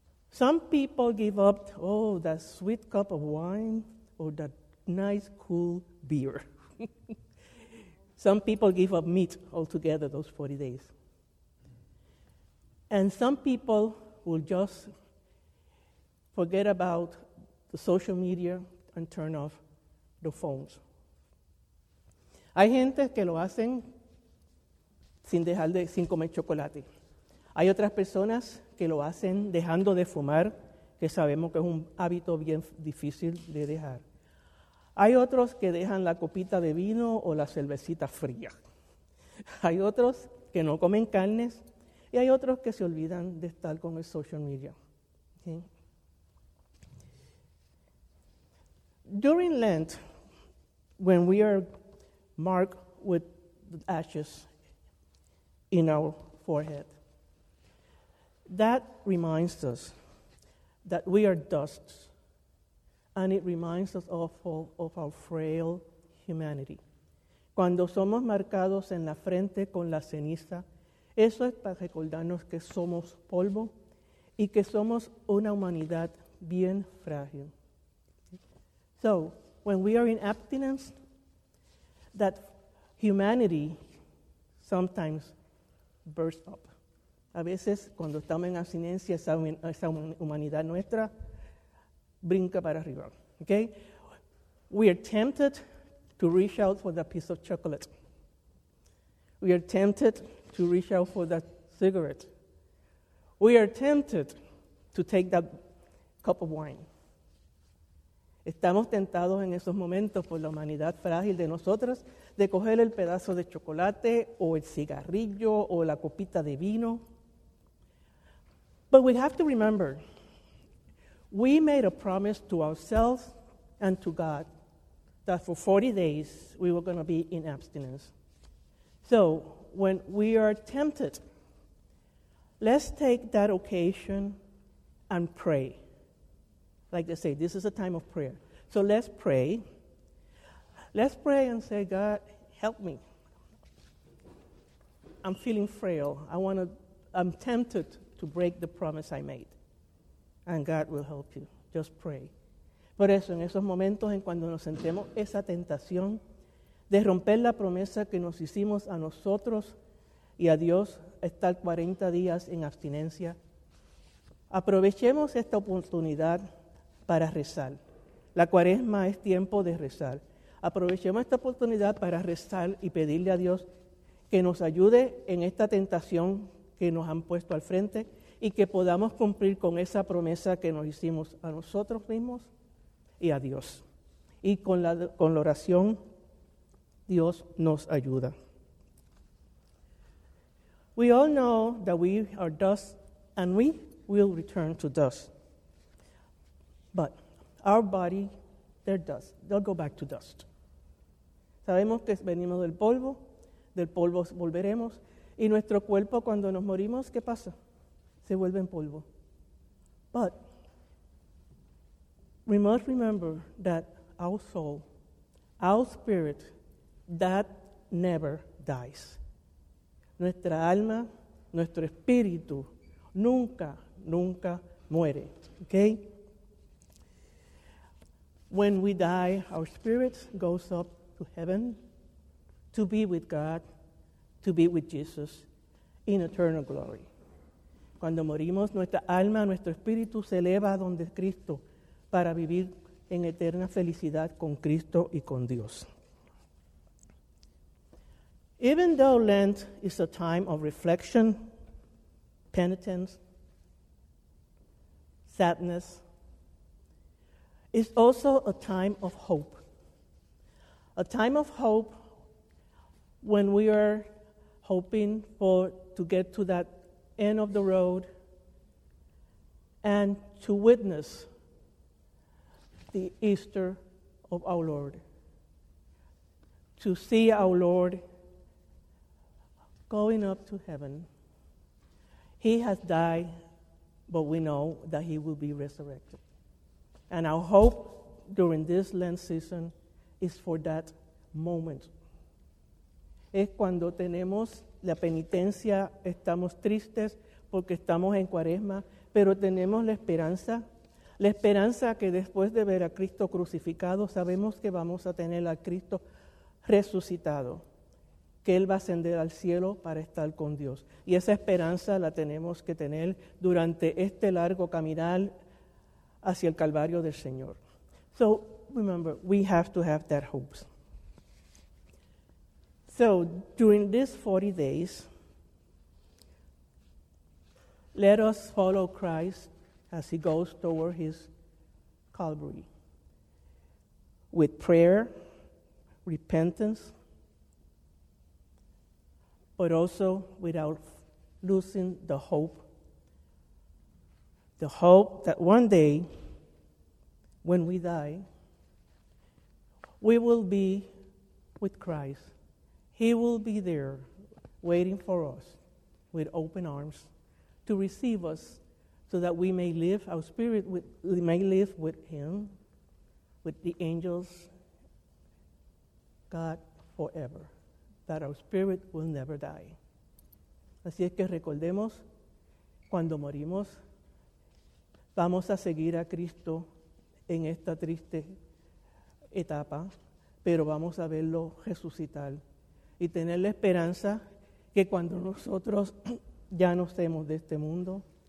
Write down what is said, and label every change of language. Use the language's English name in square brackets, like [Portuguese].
[English] Some people give up, oh, that sweet cup of wine or that nice, cool beer. Some people give up meat altogether those 40 days. And some people will just forget about the social media, and turn off the phones. [Spanish] Hay gente que lo hacen sin comer chocolate. Hay otras personas que lo hacen dejando de fumar, que sabemos que es un hábito bien difícil de dejar. Hay otros que dejan la copita de vino o la cervecita fría. Hay otros que no comen carnes y hay otros que se olvidan de estar con el social media. ¿Sí? [English] During Lent, when we are marked with ashes in our forehead, that reminds us that we are dust, and it reminds us of our frail humanity. [Spanish] Cuando somos marcados en la frente con la ceniza, eso es para recordarnos que somos polvo y que somos una humanidad bien frágil. [English] So, when we are in abstinence, that humanity sometimes bursts up. [Spanish] A veces, cuando estamos en abstinencia, esa humanidad nuestra brinca para arriba. [English] Okay? We are tempted to reach out for that piece of chocolate. We are tempted to reach out for that cigarette. We are tempted to take that cup of wine. [Spanish] Estamos tentados en esos momentos por la humanidad frágil de nosotros de coger el pedazo de chocolate o el cigarrillo o la copita de vino. [English] But we have to remember, we made a promise to ourselves and to God that for 40 days we were going to be in abstinence. So when we are tempted, let's take that occasion and pray. Like they say, this is a time of prayer. So let's pray. Let's pray and say, God, help me. I'm feeling frail. I'm tempted to break the promise I made. And God will help you. Just pray. [Spanish] Por eso, en esos momentos en cuando nos sentemos esa tentación de romper la promesa que nos hicimos a nosotros y a Dios, estar 40 días en abstinencia, aprovechemos esta oportunidad para rezar. La cuaresma es tiempo de rezar. Aprovechemos esta oportunidad para rezar y pedirle a Dios que nos ayude en esta tentación que nos han puesto al frente y que podamos cumplir con esa promesa que nos hicimos a nosotros mismos y a Dios. Y con la oración, Dios nos ayuda. [English] We all know that we are dust and we will return to dust. But our body, they're dust. They'll go back to dust. [Spanish] Sabemos que venimos del polvo volveremos. Y nuestro cuerpo, cuando nos morimos, ¿qué pasa? Se vuelve en polvo. [English] But we must remember that our soul, our spirit, that never dies. [Spanish] Nuestra alma, nuestro espíritu, nunca, nunca muere. Okay? [English] When we die, our spirit goes up to heaven to be with God, to be with Jesus in eternal glory. [Spanish] Cuando morimos, nuestra alma, nuestro espíritu se eleva a donde es Cristo para vivir en eterna felicidad con Cristo y con Dios. [English] Even though Lent is a time of reflection, penitence, sadness, it's also a time of hope. A time of hope when we are hoping to get to that end of the road and to witness the Easter of our Lord. To see our Lord going up to heaven. He has died, but we know that he will be resurrected. And our hope during this Lent season is for that moment. [Spanish] Es cuando tenemos la penitencia, estamos tristes porque estamos en cuaresma, pero tenemos la esperanza que después de ver a Cristo crucificado, sabemos que vamos a tener a Cristo resucitado, que Él va a ascender al cielo para estar con Dios. Y esa esperanza la tenemos que tener durante este largo caminar hacia el Calvario del Señor. [English] So, remember, we have to have that hope. So during these 40 days, let us follow Christ as he goes toward his Calvary with prayer, repentance, but also without losing the hope that one day when we die, we will be with Christ. He will be there waiting for us with open arms to receive us so that we may live, our spirit may live with him, with the angels, God forever, that our spirit will never die. [Spanish] Así es que recordemos, cuando morimos, vamos a seguir a Cristo en esta triste etapa, pero vamos a verlo resucitar y tener la esperanza que cuando nosotros ya no estemos de este mundo,